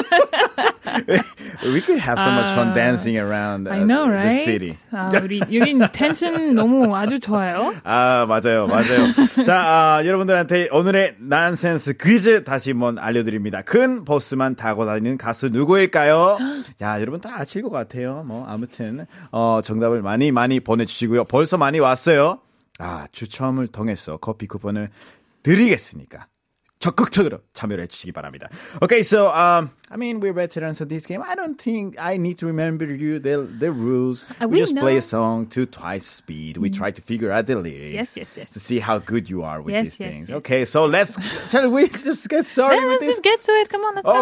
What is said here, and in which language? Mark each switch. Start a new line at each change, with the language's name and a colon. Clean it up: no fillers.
English: We could have so much fun dancing around I know, right? the city.
Korean: 우리 유린 텐션 너무 아주 좋아요. 아, 맞아요. 맞아요. 자, 여러분들한테 오늘의 난센스 퀴즈 다시 한번 알려드립니다. 큰 버스만 타고 다니는 가수 누구일까요? 야, 여러분 다 아실 것 같아요. 뭐, 아무튼, 정답을 많이 많이 보내주시고요. 벌써 많이 왔어요. 아, 추첨을 통해서 커피 쿠폰을 드리겠으니까. 적극적으로 참여를 해주시기 바랍니다.
English: Okay, so, I mean, we're veterans of this game. I don't think I need to remember you the rules. We just know. Play a song to twice speed. We try to figure out the lyrics. Yes, yes, yes. To see how good you are with these things. Yes. Okay, so let's just get started with this. Let's just get to it. Come on, let's go.